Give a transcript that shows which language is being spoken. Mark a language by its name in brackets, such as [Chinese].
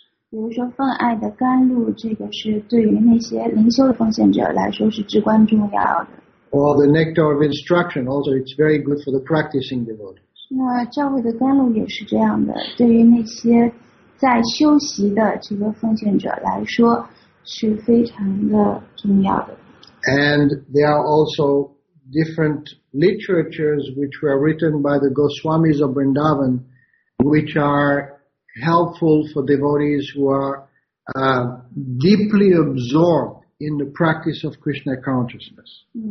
[Chinese] 比如说，奉爱的甘露，这个是对于那些灵修的奉献者来说是至关重要的。 [English] Or the Nectar of Instruction, also it's very good for the practicing devotees. [Chinese] 那教会的甘露也是这样的，对于那些 在修习的这个奉献者来说，是非常的重要的。 [English] And there are also different literatures which were written by the Goswamis of Vrindavan, which are helpful for devotees who are deeply absorbed in the practice of Krishna consciousness.